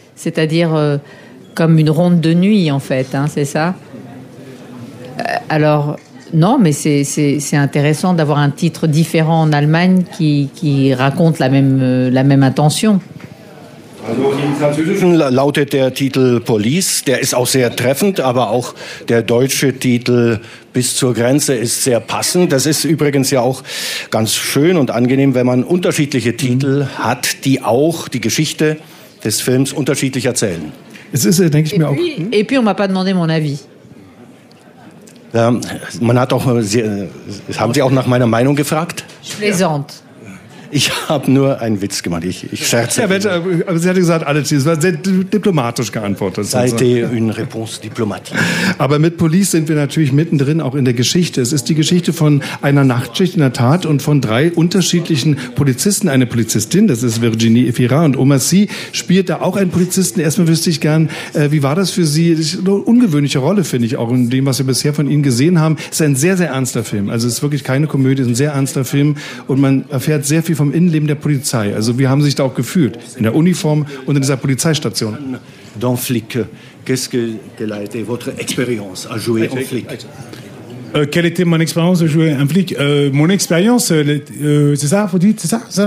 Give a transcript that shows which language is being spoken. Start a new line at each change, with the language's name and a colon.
French: C'est-à-dire comme une ronde de nuit, en fait. Hein, c'est ça? Alors, non, mais c'est intéressant d'avoir un titre différent en Allemagne qui raconte la même intention.
German: Also im Französischen lautet der Titel Police, der ist auch sehr treffend, aber auch der deutsche Titel Bis zur Grenze ist sehr passend. Das ist übrigens ja auch ganz schön und angenehm, wenn man unterschiedliche Titel hat, die auch die Geschichte des Films unterschiedlich erzählen. Es ist, denke ich mir auch.
French: Et puis on m'a pas demandé mon avis.
German: Man hat auch, haben Sie auch nach meiner Meinung gefragt?
French: Plaisante.
German: Ich habe nur einen Witz gemacht, ich scherze. Ja, aber sie hat gesagt, alles, es war sehr diplomatisch geantwortet.
French: Seite une réponse diplomatique.
German: Aber mit Police sind wir natürlich mittendrin auch in der Geschichte. Es ist die Geschichte von einer Nachtschicht in der Tat und von drei unterschiedlichen Polizisten. Eine Polizistin, das ist Virginie Efira, und Omar Sy spielt da auch einen Polizisten. Erstmal wüsste ich gern, wie war das für Sie? Das ist eine ungewöhnliche Rolle, finde ich, auch in dem, was wir bisher von Ihnen gesehen haben. Es ist ein sehr, sehr ernster Film. Also es ist wirklich keine Komödie, es ist ein sehr ernster Film. Und man erfährt sehr viel vom Innenleben der Polizei. Also wie haben Sie sich da auch gefühlt? In der Uniform und in dieser Polizeistation?
French: Dans flic, qu'est-ce que quelle a été votre expérience à jouer en flic? Quelle était mon expérience à jouer en flic? Mon expérience, c'est ça, vous dites, c'est ça?